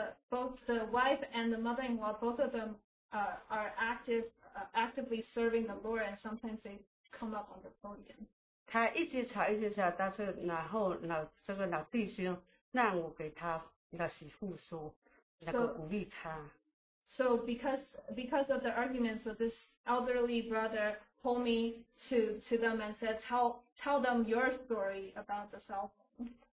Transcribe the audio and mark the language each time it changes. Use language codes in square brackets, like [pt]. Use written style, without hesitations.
[en] both the wife and the mother-in-law, both of them are actively serving the Lord, and sometimes they come up on the podium. [zh] 他一直吵，但是然后老弟兄让我给他那媳妇说，那个鼓励他。 [en] So because of the argument, so this elderly brother told me to them and said, tell them your story about the cell phone.